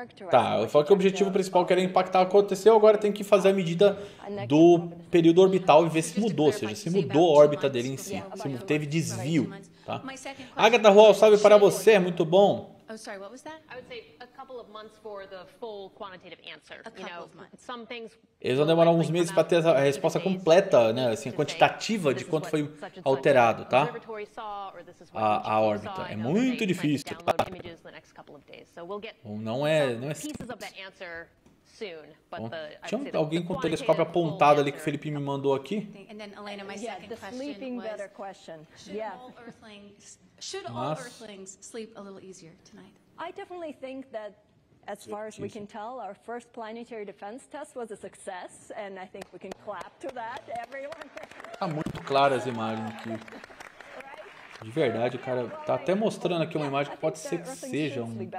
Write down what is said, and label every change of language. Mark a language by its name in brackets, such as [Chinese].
[Portuguese] Tá, eu falo que o objetivo principal que era impactar o que aconteceu, agora tem que fazer a medida do período orbital e ver se mudou, ou seja, se mudou a órbita dele em si, se teve desvio. Tá. Agatha Hall, salve para você, é muito bom. [English] Oh, sorry, what was that? I would say a couple of months for the full quantitative answer. A couple of months. Some things. [Portuguese] Eles vão demorar uns meses para ter a resposta completa, né? Assim, quantitativa de quanto foi alterado, tá? A órbita. É muito difícil. Tá? Não é simples. Bom, tinha alguém com o telescópio apontado ali que o Felipe me mandou aqui? E então, [English] Elena, my second question was, should all earthlings sleep a little easier tonight? I definitely think that as far as we can tell, our first planetary defense test was a success, and I think we can clap to that, everyone. [Portuguese] Tá muito clara as imagens aqui. De verdade, o cara tá até mostrando aqui uma imagem que pode ser que seja um.